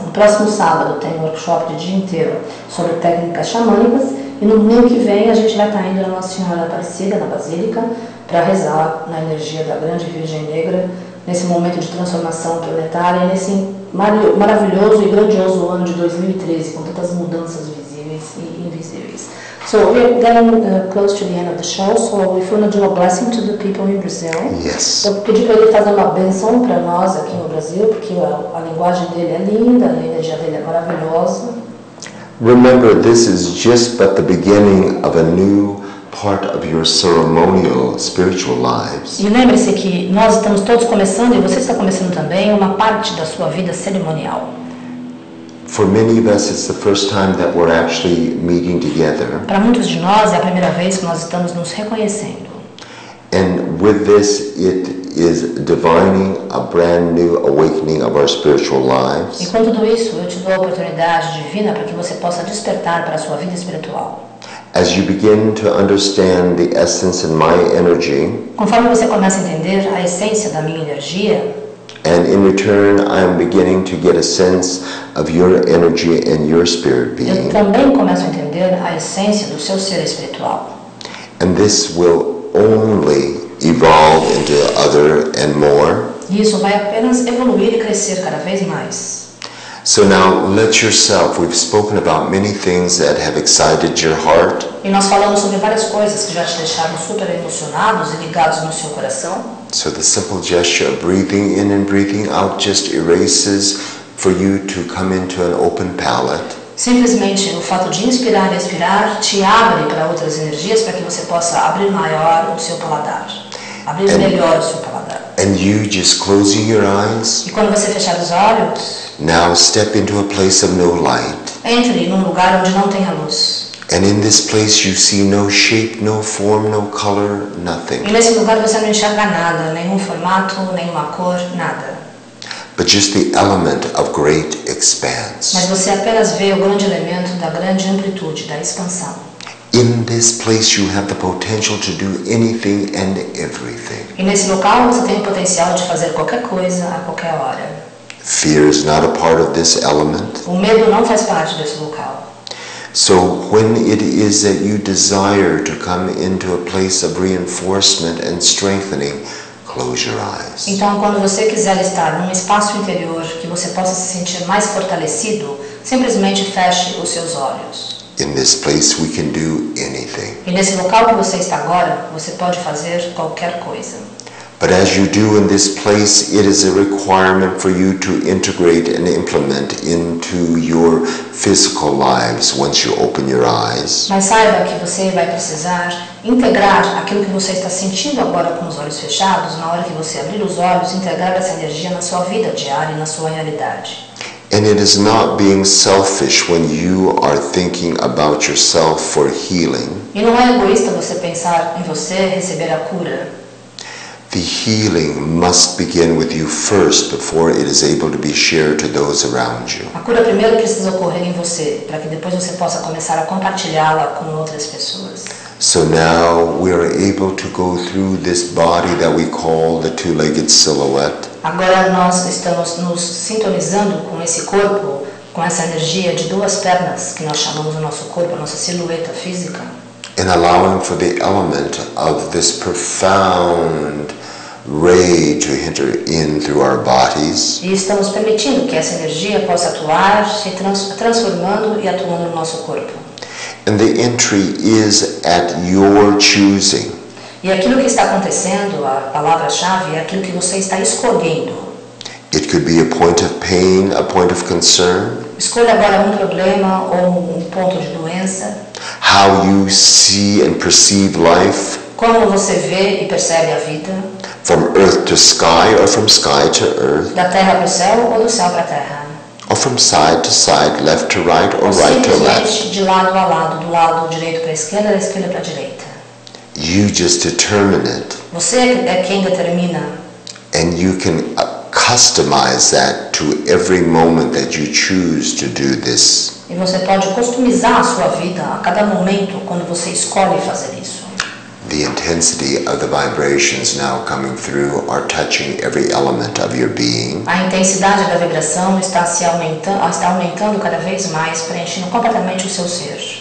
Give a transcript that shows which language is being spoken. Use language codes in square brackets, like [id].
[pt] No próximo sábado tem um workshop de dia inteiro sobre técnicas xamânicas e no domingo que vem a gente vai estar indo na Nossa Senhora Aparecida, na Basílica, para rezar na energia da Grande Virgem Negra nesse momento de transformação planetária e nesse maravilhoso e grandioso ano de 2013, com tantas mudanças visíveis e invisíveis. [en] So we are getting close to the end of the show, so we want to do a blessing to the people in Brazil. Yes. [pt] Eu pedi para ele fazer uma benção para nós aqui no Brasil, porque a linguagem dele é linda, a energia dele é maravilhosa. [en] Remember, this is just but the beginning of a new part of your ceremonial spiritual lives. [pt] E lembre-se que nós estamos todos começando, e você está começando também, uma parte da sua vida cerimonial. [en] For many of us, it's the first time that we're actually meeting together. [pt] Para muitos de nós, é a primeira vez que nós estamos nos reconhecendo. [en] And with this, it is divining a brand new awakening of our spiritual lives. [pt] E com tudo isso, eu te dou a oportunidade divina para que você possa despertar para a sua vida espiritual. [en] As you begin to understand the essence in my energy, [pt] conforme você começa a entender a essência da minha energia, [en] and in return, I am beginning to get a sense of your energy and your spirit being. [pt] Eu também começo a entender a essência do seu ser espiritual. [en] And this will only evolve into other and more. [pt] Isso vai apenas evoluir e crescer cada vez mais. [en] So now, let yourself, we've spoken about many things that have excited your heart. [pt] E nós falamos sobre várias coisas que já te deixaram super emocionados e ligados no seu coração. [en] So the simple gesture of breathing in and breathing out just erases for you to come into an open palate. [pt] Simplesmente o fato de inspirar e expirar te abre para outras energias para que você possa abrir maior o seu paladar. Abrir melhor o seu paladar. [en] And you just closing your eyes. [pt] E quando você fechar os olhos. [en] Now step into a place of no light. [pt] Entre num lugar onde não tenha luz. [en] And in this place you see no shape, no form, no color, nothing. [pt] E nesse lugar você não enxerga nada, nenhum formato, nenhuma cor, nada. [en] but just the element of great expanse. [pt] Mas você apenas vê o grande elemento da grande amplitude, da expansão. [en] In this place you have the potential to do anything and everything. [pt] E nesse local você tem o potencial de fazer qualquer coisa a qualquer hora. [en] Fear is not a part of this element. [pt] O medo não faz parte desse local. [en] So when it is that you desire to come into a place of reinforcement and strengthening, close your eyes. [pt] Então quando você quiser estar num espaço interior que você possa se sentir mais fortalecido, simplesmente feche os seus olhos. [en] In this place we can do anything. [pt] E nesse local que você está agora, você pode fazer qualquer coisa. [en] But as you do in this place, it is a requirement for you to integrate and implement into your physical lives once you open your eyes. [pt] Mas saiba que você vai precisar integrar aquilo que você está sentindo agora com os olhos fechados, na hora que você abrir os olhos, integrar essa energia na sua vida diária, na sua realidade. [en] And it is not being selfish when you are thinking about yourself for healing. [pt] E não é egoísta você pensar em você receber a cura. [en] The healing must begin with you first before it is able to be shared to those around you. [pt] A cura primeiro precisa ocorrer em você, para que depois você possa começar a compartilhá-la com outras pessoas. [en] So now we are able to go through this body that we call the two-legged silhouette. [pt] Agora nós estamos nos sintonizando com esse corpo, com essa energia de duas pernas, que nós chamamos o nosso corpo, a nossa silhueta física. [en] And allowing for the element of this profound ray to enter in through our bodies. [pt] E estamos permitindo que essa energia possa atuar, se transformando e atuando no nosso corpo. [en] And the entry is at your choosing. [pt] E aquilo que está acontecendo, a palavra-chave, é aquilo que você está escolhendo. [en] It could be a point of pain, a point of concern. [pt] Escolha agora problema ou ponto de doença. [en] How you see and perceive life. [pt] Como você vê e percebe a vida. [en] From earth to sky or from sky to earth. [pt] Da terra para o céu ou do céu para a terra. [en] Or from side to side, left to right or [pt] ou [en] right to left. [pt] De lado a lado, do lado direito para a esquerda, da esquerda para a direita. [en] You just determine it. [pt] Você é quem determina. [en] And you can customize that to every moment that you choose to do this. [pt] E você pode customizar a sua vida a cada momento quando você escolhe fazer isso. [en] The intensity of the vibrations now coming through are touching every element of your being. [pt] A intensidade da vibração está aumentando cada vez mais, preenchendo completamente o seu ser.